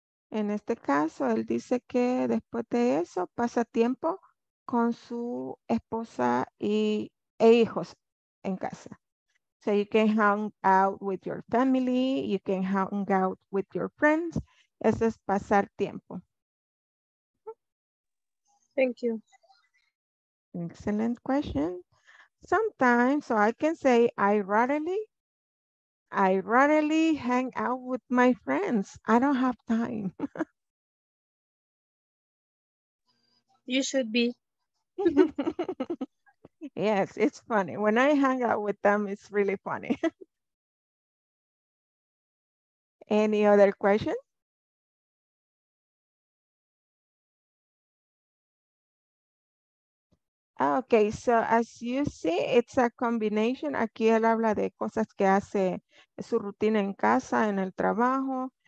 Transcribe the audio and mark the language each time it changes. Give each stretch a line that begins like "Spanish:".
Spanish: En este caso, él dice que después de eso pasa tiempo con su esposa e hijos en casa.
English: So you can hang out with your family, you can hang out with your friends.
Spanish: Eso es pasar tiempo.
English: Thank you. Excellent question. Sometimes, so I can say I rarely hang out with my friends. I don't have time. You should be. Yes, it's funny. When I hang out with them, it's really funny. Any other question? Okay, so as you see, it's a combination.
Spanish: Aquí él habla de cosas que hace su rutina en casa, en el trabajo.